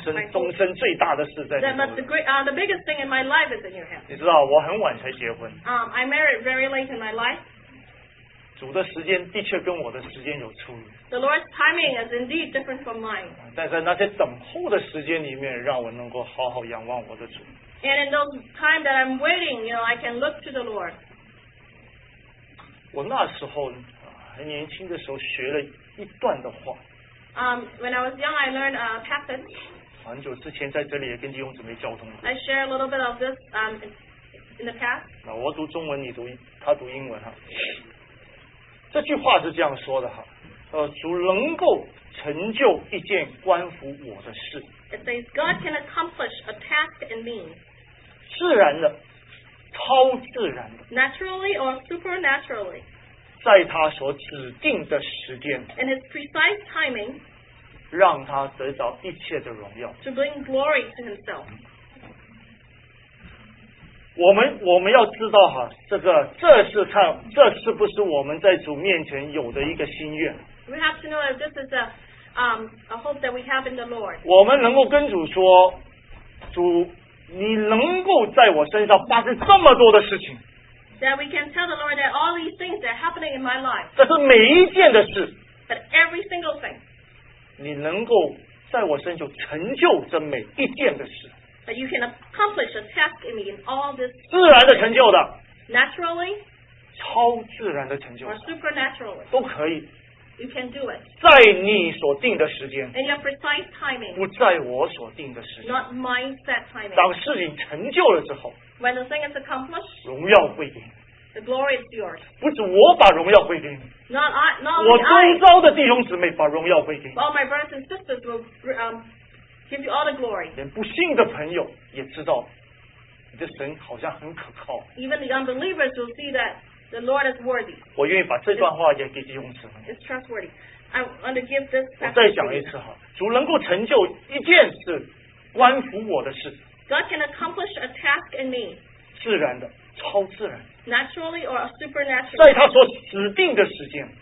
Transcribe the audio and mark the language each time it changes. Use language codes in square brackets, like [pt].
[zh] 终身最大的事在你手中。 [en] The biggest thing in my life is in your hands. [zh] 你知道我很晚才结婚。 [en] I married very late in my life. [zh] 主的时间的确跟我的时间有出入。 [en] The Lord's timing is indeed different from mine. [zh] 但在那些等候的时间里面，让我能够好好仰望我的主。 [en] And in those time that I'm waiting, you know, I can look to the Lord. [zh] 我那时候很年轻的时候学了一段的话。 [en] When I was young, I learned a passage. [zh] 很久之前在这里也跟弟兄姊妹交通了。 [en] I share a little bit of this in the past. [zh] 那我读中文，你读他读英文哈。这句话是这样说的哈，主能够成就一件关乎我的事。 [en] It says God can accomplish a task in me. [zh] 自然的，超自然的。 [en] Naturally or supernaturally. [zh] 在他所指定的时间。 [en] In his precise timing. [zh] 让他得到一切的荣耀。 [en] To bring glory to himself. [zh] 我们要知道哈，这是不是我们在主面前有的一个心愿。 [en] We have to know if this is a hope that we have in the Lord. [zh] 我们能够跟主说，主，你能够在我身上发生这么多的事情。 [en] That we can tell the Lord that all these things are happening in my life. [zh] 这是每一件的事。 [en] But every single thing. [zh] 你能够在我身上成就这每一件的事。 [en] But you can accomplish a task in me in all this. [zh] 自然的成就的。 [en] Naturally. [zh] 超自然的成就。 [en] Or supernaturally. [zh] 都可以。 [en] You can do it. [zh] 在你所定的时间。 [en] In your precise timing. [zh] 不在我所定的时间。 [en] Not my set timing. [zh] 当事情成就了之后。 [en] When the thing is accomplished, [zh] 荣耀归给你。 [en] The glory is yours. [zh] 不是我把荣耀归给你。 [en] Not only I. [zh] 我周遭的弟兄姊妹把荣耀归给你。 [en] All my brothers and sisters will give you all the glory. [zh] 连不信的朋友也知道，你的神好像很可靠。 [en] Even the unbelievers will see that the Lord is worthy. [zh] 我愿意把这段话也给弟兄姊妹。 [en] It's trustworthy. I want to give this. [zh] 我再讲一次哈，主能够成就一件事，关乎我的事。 [en] God can accomplish a task in me. [zh] 自然的，超自然。 [en] Naturally or supernaturally. [zh] 在他所指定的时间。